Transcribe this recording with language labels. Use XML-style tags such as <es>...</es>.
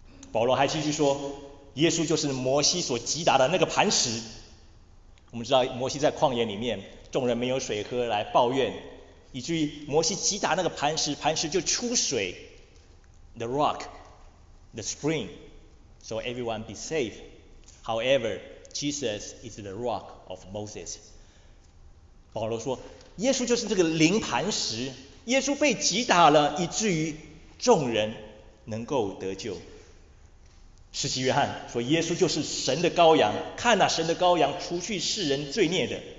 <zh>保罗还继续说，耶稣就是摩西所击打的那个磐石。我们知道摩西在旷野里面，众人没有水喝来抱怨，以至于摩西击打那个磐石，磐石就出水 ，</zh> <en>the rock, the spring, so everyone be safe. However, Jesus is the rock of Moses.</en> <zh>保罗说，耶稣就是这个灵磐石，耶稣被击打了，以至于众人能够得救。使徒约翰说，耶稣就是神的羔羊，看哪，神的羔羊，除去世人罪孽的。</zh>